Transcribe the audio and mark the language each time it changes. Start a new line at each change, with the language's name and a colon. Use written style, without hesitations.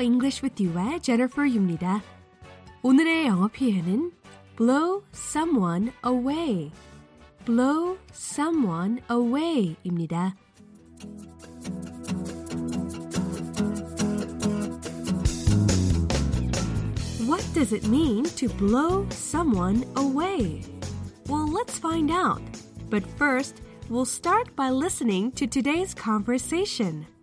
Korean: English with you의 Jennifer입니다. 오늘의 영어 표현은
English: blow someone away. blow someone away
Korean: 입니다.
English: What does it mean to blow someone away? Well, let's find out. But first, we'll start by listening to today's conversation.